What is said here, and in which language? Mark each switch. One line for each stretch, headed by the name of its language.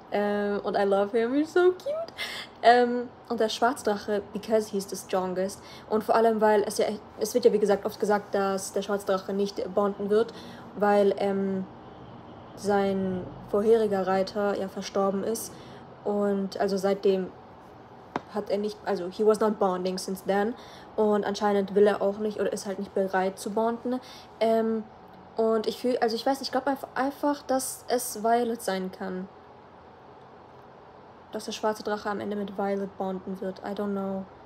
English: Und I love him, he's so cute.
German: Und der Schwarzdrache,
English: because he's the strongest.
German: Und vor allem, weil es wird ja wie gesagt oft gesagt, dass der Schwarzdrache nicht bonden wird, weil sein vorheriger Reiter ja verstorben ist. Und also seitdem hat er nicht, also
English: he was not bonding since then.
German: Und anscheinend will er auch nicht oder ist halt nicht bereit zu bonden. Und ich fühle, also ich weiß nicht, ich glaube einfach, dass es Violet sein kann. Dass der Schwarze Drache am Ende mit Violet bonden wird.
English: I don't know.